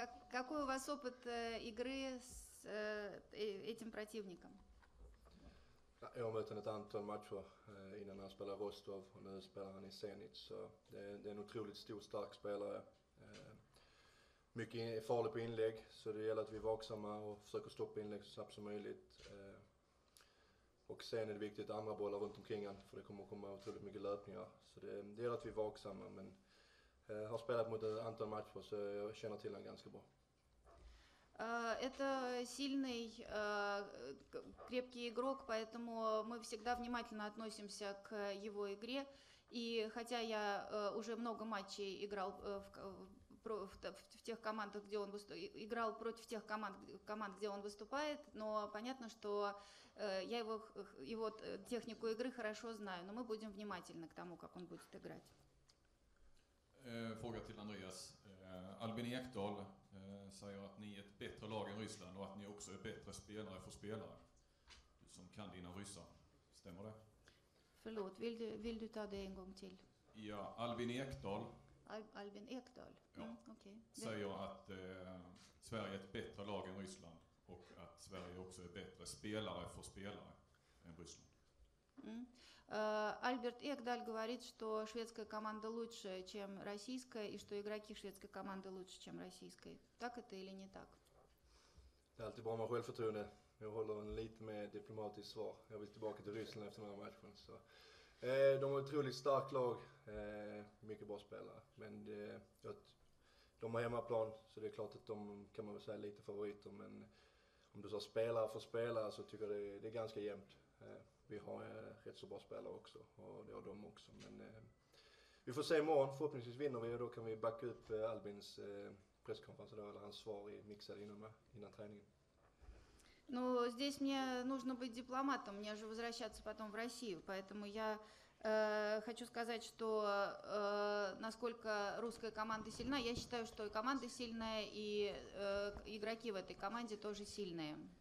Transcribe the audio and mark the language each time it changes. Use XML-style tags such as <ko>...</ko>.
<ru>какой у вас опыт игры с этим противником? Я мотал</ru> <sv>ett antal matcher innan han spelade Rostov och nu spelar han i Zenit, så det är en otroligt stor stark spelare. mycket farlig på inlägg, så det gäller att vi är vaksamma och försöker stoppa inlägg så snabbt som möjligt. Och sen är det viktigt att andra bollar runt omkring han, för det kommer att komma otroligt mycket löpningar. Så det gäller att vi är vaksamma, men har spelat mot ett antal matcher så jag känner till han ganska bra.</sv> <ru>Это сильный, крепкий игрок, поэтому мы всегда внимательно относимся к его игре. И хотя я уже много матчей играл в тех командах, где он играл против тех команд, где он выступает, но понятно, что я его технику игры хорошо знаю, но мы будем внимательны к тому, как он будет играть.</ru> <sv>Fråga till Andreas. Albin Ekdal säger att ni är ett bättre lag än Ryssland och att ni också är bättre spelare för spelare. Du som kan dina ryssar. Stämmer det? Förlåt, vill du ta det en gång till? Ja, Albin Ekdal. Albin Ekdal? Ja, okay. Säger att Sverige är ett bättre lag än Ryssland och att Sverige också är bättre spelare för spelare än Ryssland.</sv> <ru>Альберт Экдаль говорит, что шведская команда лучше, чем российская, и что игроки шведской команды лучше, чем российской. Так это или не так?</ru> <sv>Det är alltid bra med självförtroende. Jag håller en lite mer diplomatisk svar. Jag vill tillbaka till Ryssland efter den här matchen. Så. De har otroligt stark lag, mycket bra spelare. Men de har hemmaplan, så det är klart att de kan man väl säga lite favoriter. Men om du sa spelare för spelare så tycker jag det är ganska jämnt. Vi har rätt så bra spelare också och det har de också, men vi får se imorgon, förhoppningsvis vinner vi och då kan vi backa upp Albins presskonferens då, eller hans svar i mixad innan träningen.</sv> <ru>Ну, здесь мне нужно быть дипломатом, мне же возвращаться потом в Россию, поэтому я хочу сказать, что насколько русская команда сильна, я считаю, что и команда сильная, и игроки в этой команде тоже сильные.</ru>